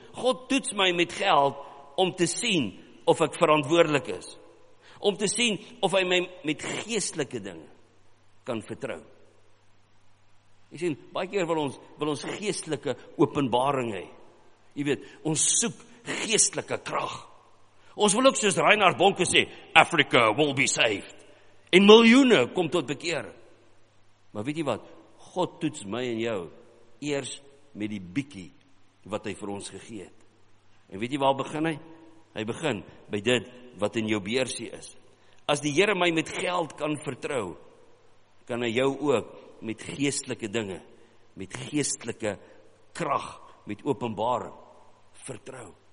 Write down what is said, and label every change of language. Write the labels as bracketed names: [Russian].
[Afrikaans] God toets my met geld om te sien of ek verantwoordelik is. Om te sien of hy my met geestelike dinge kan vertrou. Jy sien, baie keer wil ons geestelike openbaring hê. Jy weet, ons soek geestelike krag. Ons wil ook soos Reinhard Bonke sê, [English] Africa will be saved. [Afrikaans] En miljoene kom tot bekering. Maar weet jy wat? God toets my en jou eers met die bietjie wat hy vir ons gegee het. En weet jy waar begin hy? Hy begin by dit wat in jou beursie is. As die Here my met geld kan vertrou, kan hy jou ook met geestelike dinge, met geestelike krag, met openbaring vertrou.